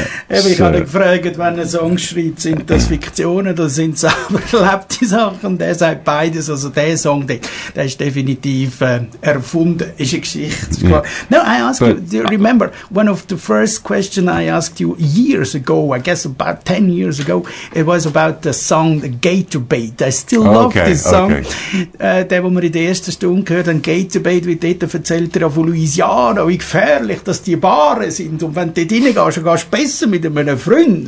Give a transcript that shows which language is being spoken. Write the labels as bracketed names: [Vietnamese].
[German] Ich habe gefragt, wenn ein Song schreibt, sind das Fiktionen oder sind es aber erlebte Sachen? Der sagt beides. Also der Song, der ist definitiv erfunden, ist eine Geschichte. [English] Yeah. No, I ask you, remember, one of the first questions I asked you years ago, I guess about 10 years ago, it was about the song The Gator Bait. I still love this song. [German] Der, den wir in der ersten Stunde gehört haben, Gator Bait, wie dort erzählt er von Louisiana, wie gefährlich, dass die Bahren sind. Und wenn du dort reingehst, dann gehst du besser mit einem Freund.